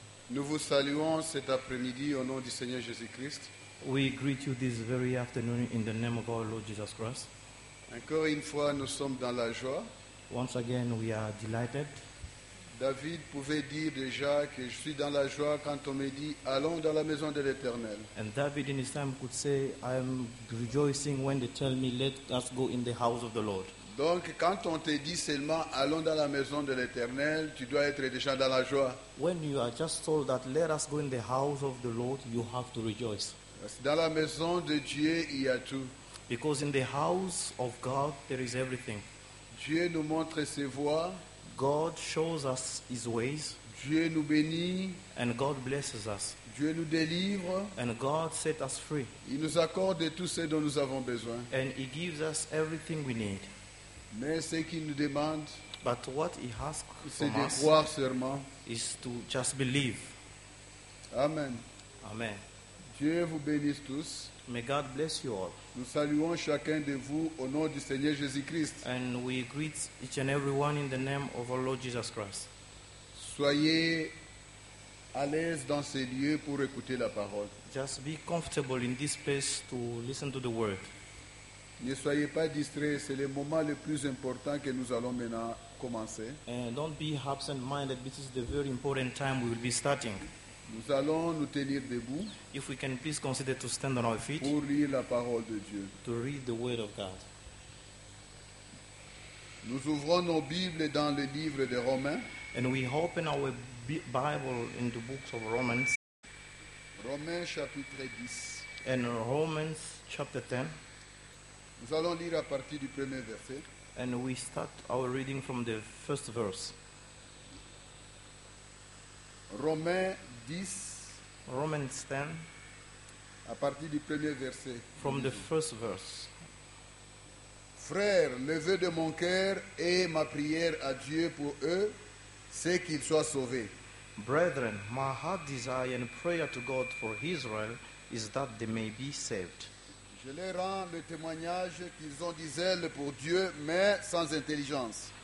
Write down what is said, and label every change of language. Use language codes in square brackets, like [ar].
[fr] Nous vous saluons cet après-midi au nom du Seigneur Jésus-Christ. [en] We greet you this very afternoon in the name of our Lord Jesus Christ. [fr] Encore une fois, nous sommes dans la joie. [en] Once again, we are delighted. [fr] David pouvait dire déjà que je suis dans la joie quand on me dit allons dans la maison de l'Éternel. [en] And David in his time could say, I am rejoicing when they tell me, let us go in the house of the Lord. [fr] Donc, quand on te dit seulement « Allons dans la maison de l'Éternel », tu dois être déjà dans la joie. [en] When you are just told that « Let us go in the house of the Lord », you have to rejoice. [fr] Dans la maison de Dieu, il y a tout. [en] Because in the house of God, there is everything. [fr] Dieu nous montre ses voies. [en] God shows us his ways. [fr] Dieu nous bénit. [en] And God blesses us. [fr] Dieu nous délivre. [en] And God sets us free. [fr] Il nous accorde tout ce dont nous avons besoin. [en] And he gives us everything we need. [fr] Mais ce qu'il nous demande, [en] but what he asks [fr] c'est de croire seulement, [en] is to just believe. Amen. Amen. [fr] Dieu vous bénisse tous. [en] May God bless you all. [fr] Nous saluons chacun de vous au nom du Seigneur Jésus-Christ. [en] And we greet each and everyone in the name of our Lord Jesus Christ. [fr] Soyez à l'aise dans ces lieux pour écouter la parole. [en] Just be comfortable in this place to listen to the word. [fr] Ne soyez pas distraits, c'est le moment le plus important que nous allons maintenant commencer. [en] And don't be absent-minded, this is the very important time we will be starting. [fr] Nous allons nous tenir debout. [en] If we can please consider to stand on our feet. [fr] Pour lire la parole de Dieu. [en] To read the word of God. [fr] Nous ouvrons nos Bibles dans le livre de Romains. [en] And we open our Bible in the books of Romans. [fr] Romains chapitre 10. [en] And Romans chapter 10. [fr] Nous allons lire à partir du premier verset. [en] And we start our reading from the first verse. [fr] Romains 10. [en] Romans 10. [fr] À partir du premier verset. [en] From the first verse. [fr] Frère, le vœu de mon cœur et ma prière à Dieu pour eux, c'est qu'ils soient sauvés. [en] Brethren, my heart desire and prayer to God for Israel is that they may be saved. [fr] Je leur rends le témoignage qu'ils ont dit zèle pour Dieu, mais sans intelligence.